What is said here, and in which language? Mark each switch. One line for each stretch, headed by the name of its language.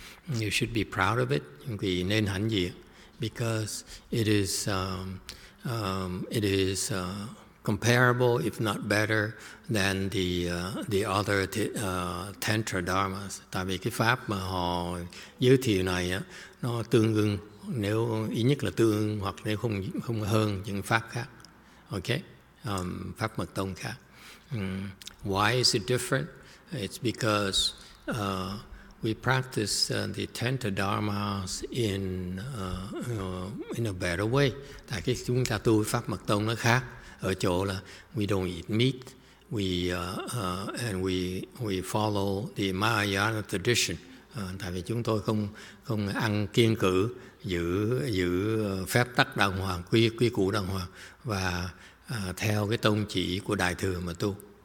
English: You should be proud of it.
Vietnamese: Vì nên hãnh diện.
English: Because it is comparable, if not better, than the other Tantra dharmas.
Vietnamese: Tại vì cái pháp mà họ giới thiệu này á, nó tương ứng, nếu ít nhất là tương ứng, hoặc nếu không hơn những pháp khác.
English: Okay,
Vietnamese: pháp mật tông khác.
English: Why is it different? It's because we practice the Tantra dharmas in a better way.
Vietnamese: Tại cái chúng ta tu pháp mật tông nó khác ở chỗ là
English: we don't eat meat, we follow the Mahayana tradition.
Vietnamese: Tại vì chúng tôi không ăn kiêng cử, giữ phép tắc đàng hoàng, quy củ đàng hoàng và theo cái tông chỉ của đại thừa mà tu.